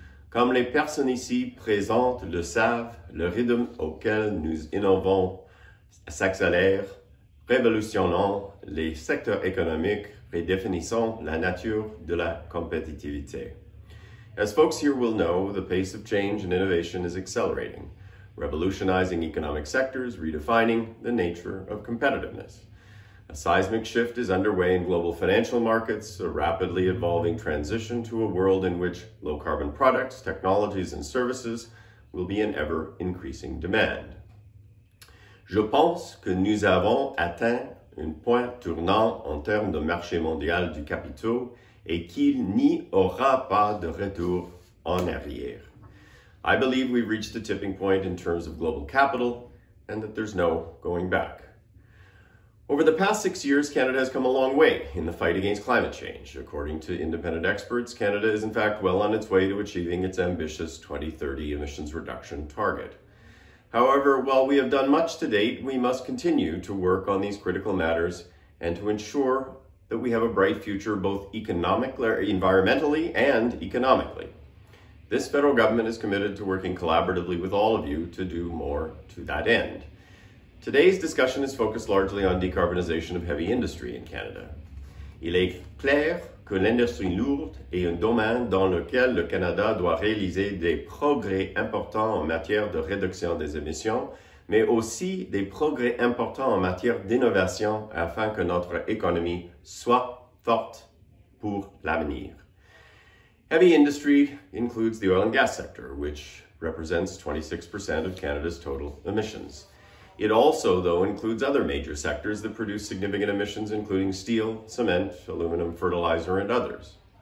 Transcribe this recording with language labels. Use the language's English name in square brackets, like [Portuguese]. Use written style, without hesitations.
[French] Comme les personnes ici présentes le savent, le rythme auquel nous innovons s'accélère, révolutionnant les secteurs économiques, redéfinissant la nature de la compétitivité. [English] As folks here will know, the pace of change and innovation is accelerating, revolutionizing economic sectors, redefining the nature of competitiveness. A seismic shift is underway in global financial markets, a rapidly evolving transition to a world in which low-carbon products, technologies, and services will be in ever-increasing demand. [French] Je pense que nous avons atteint un point tournant en termes de marché mondial du capital et qu'il n'y aura pas de retour en arrière. [English] I believe we've reached a tipping point in terms of global capital and that there's no going back. Over the past 6 years, Canada has come a long way in the fight against climate change. According to independent experts, Canada is in fact well on its way to achieving its ambitious 2030 emissions reduction target. However, while we have done much to date, we must continue to work on these critical matters and to ensure that we have a bright future both economically, environmentally, and economically. This federal government is committed to working collaboratively with all of you to do more to that end. Today's discussion is focused largely on decarbonization of heavy industry in Canada. [French] Il est clair que l'industrie lourde est un domaine dans lequel le Canada doit réaliser des progrès importants en matière de réduction des émissions, mais aussi des progrès importants en matière d'innovation afin que notre économie soit forte pour l'avenir. [English] Heavy industry includes the oil and gas sector, which represents 26% of Canada's total emissions. It also, though, includes other major sectors that produce significant emissions, including steel, cement, aluminum, fertilizer, and others.